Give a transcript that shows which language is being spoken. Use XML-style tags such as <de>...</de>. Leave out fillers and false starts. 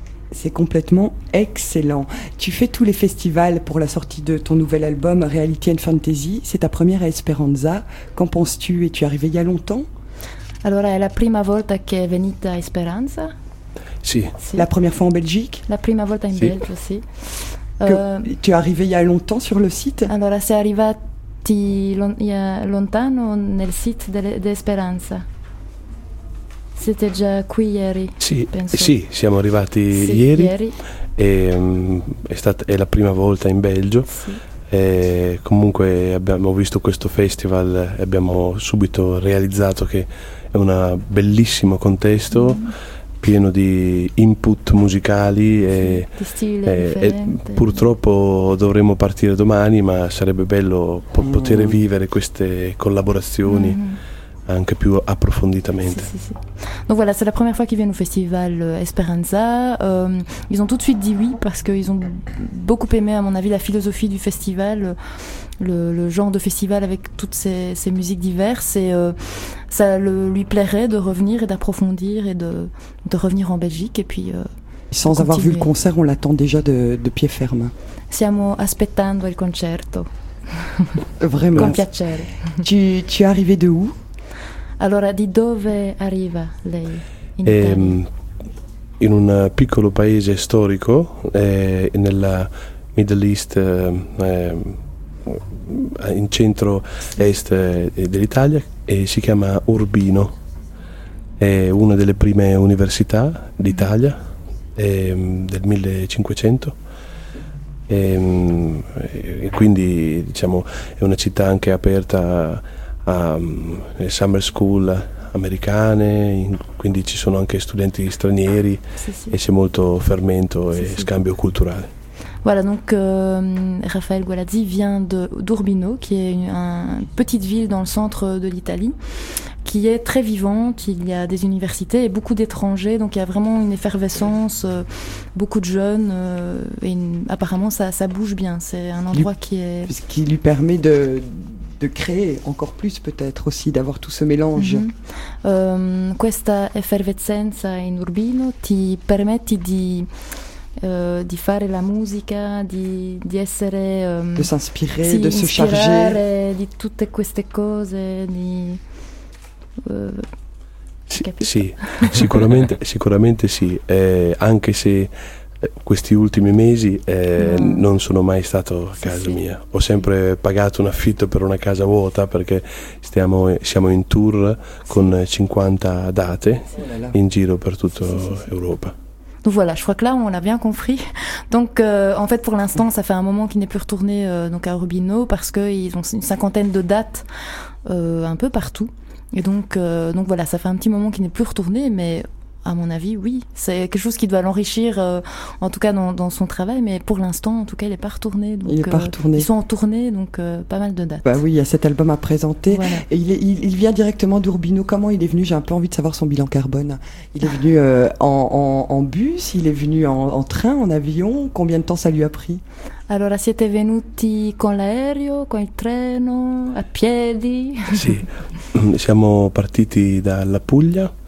<fr>C'est complètement excellent. Tu fais tous les festivals pour la sortie de ton nouvel album Reality and Fantasy. C'est ta première à Esperanza. Qu'en penses-tu? Es-tu arrivée il y a longtemps?</fr> <it>Allora, è la prima volta che è venuta a Esperanza? Sì.</it> <fr>La première fois en Belgique?</fr> <it>La prima volta in Belgio, sì.</it> <fr>Tu es arrivée il y a longtemps sur le site?</fr> <it>Allora, sei arrivati lontano nel site d'Esperanza. Siete già qui ieri? Sì, penso. Sì, siamo arrivati ieri. E, è la prima volta in Belgio. Sì. E, comunque abbiamo visto questo festival e abbiamo subito realizzato che è un bellissimo contesto pieno di input musicali e di stile differente. Purtroppo dovremo partire domani, ma sarebbe bello poter vivere queste collaborazioni. Anche più approfonditamente.</it> <fr>Donc voilà, c'est la première fois qu'ils viennent au festival Esperanza. Ils ont tout de suite dit oui parce qu'ils ont beaucoup aimé, à mon avis, la philosophie du festival, le genre de festival avec toutes ces musiques diverses. Et ça lui plairait de revenir et d'approfondir et de revenir en Belgique. Et puis, sans avoir vu le concert, on l'attend déjà de pied ferme.</fr> <it>Siamo aspettando il concerto.</it> <fr>Vraiment.</fr> <it>Con piacere.</it> <fr>Tu es arrivé de où?</fr> <it>Allora, di dove arriva lei in Italia? In un piccolo paese storico, nella Middle East, in centro est dell'Italia, e si chiama Urbino. È una delle prime università d'Italia, del 1500. E quindi, diciamo, è una città anche aperta a summer school americane, quindi ci sono anche studenti stranieri e c'è molto fermento e scambio culturale.</it> <fr>Voilà, donc Raphaël Gualazzi vient d'Urbino, qui est une petite ville dans le centre de l'Italie, qui est très vivante, il y a des universités et beaucoup d'étrangers, donc il y a vraiment une effervescence, beaucoup de jeunes, apparemment ça bouge bien, c'est un endroit qui est... Ce qui lui permet de créer encore plus peut-être aussi, d'avoir tout ce mélange.</fr> <it>Questa effervescenza in Urbino ti permette di fare la musica, di essere...</it> <fr>De s'inspirer, de se charger.</fr> <it>Di tutte queste cose, di... Sì, capito? Sì, sicuramente, sicuramente sì, anche se questi ultimi mesi non sono mai stato a casa mia, ho sempre pagato un affitto per una casa vuota perché siamo in tour con 50 date in giro per tutta Europa.</it> <fr>Donc voilà, je crois que là on a bien compris. Donc en fait pour l'instant ça fait un moment qu'il n'est plus retourné donc à Urbino parce qu'ils ont une cinquantaine de dates un peu partout. Et donc voilà, ça fait un petit moment qu'il n'est plus retourné, mais à mon avis oui, c'est quelque chose qui doit l'enrichir en tout cas dans son travail, mais pour l'instant en tout cas il n'est pas retourné. Donc, il n'est pas retourné. Ils sont en tournée donc pas mal de dates. Bah oui, il y a cet album à présenter. Voilà. Et il vient directement d'Urbino. Comment il est venu? J'ai un peu envie de savoir son bilan carbone. Il est venu en bus, il est venu en train, en avion. Combien de temps ça lui a pris?</fr> <it>Allora, siete venuti con l'aereo, con il treno, a piedi? Sì, siamo partiti dalla Puglia.</it>